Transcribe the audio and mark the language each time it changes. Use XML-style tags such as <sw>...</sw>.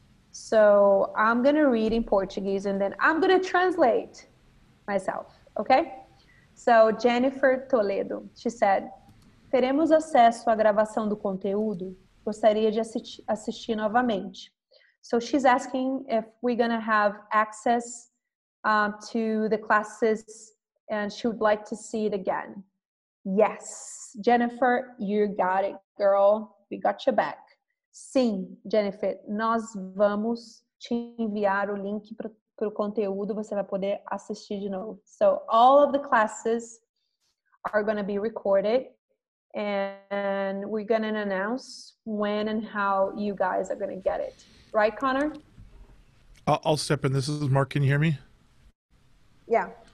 <en>So I'm going to read in Portuguese and then I'm going to translate myself, okay? So Jennifer Toledo, she said,</en> <pt>teremos acesso à gravação do conteúdo? Gostaria de assistir novamente.</pt> <en>So she's asking if we're going to have access to the classes and she would like to see it again. Yes, Jennifer, you got it, girl. We got your back.</en> <pt>Sim, Jennifer, nós vamos te enviar o link para o conteúdo, você vai poder assistir de novo.</pt> <en>So, all of the classes are going to be recorded, and we're going to announce when and how you guys are going to get it. Right, Connor? I'll step in. This is Mark. Can you hear me? Yeah.</en>